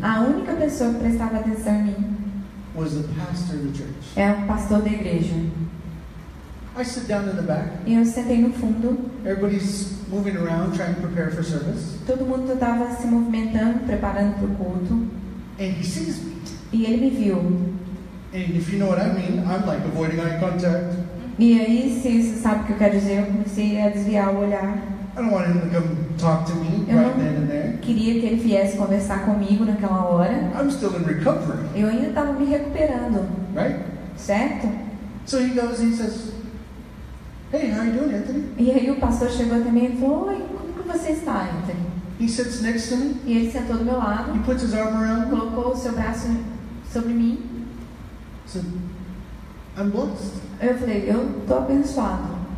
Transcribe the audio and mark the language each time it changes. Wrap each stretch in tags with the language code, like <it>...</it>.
<pt>a única pessoa que prestava atenção em mim,</pt> <en>was the pastor of the church.</en> <pt>É o pastor da igreja.</pt> <en>I sit down in the back.</en> <pt>E eu sentei no fundo.</pt> <en>Everybody's moving around trying to prepare for service.</en> <pt>Todo mundo estava se movimentando, preparando para o culto.</pt> <en>And he sees me.</en> <pt>E ele me viu.</pt> <en>And if you know what I mean, I'm like avoiding eye contact.</en> <pt>E aí, se você sabe o que eu quero dizer, eu comecei a desviar o olhar.</pt> <en>I don't want him to come talk to me right then and there.</en> <pt>Queria que ele viesse conversar comigo naquela hora.</pt> <en>I'm still in recovery.</en> <pt>Eu ainda estava me recuperando.</pt> <en>Right?</en> <pt>Certo?</pt> <en>So he goes and says, hey, how are you doing, Anthony?</en> <pt>E aí o pastor chegou até mim e falou, oi, como que você está, Anthony?</pt> <en>He sits next to me.</en> <pt>E ele sentou do meu lado.</pt> <en>He puts his arm around me.</en> <pt>Colocou o seu braço sobre mim.</pt> <en>So, I'm blessed.</en> <pt>Eu falei, eu tô abençoado.</pt>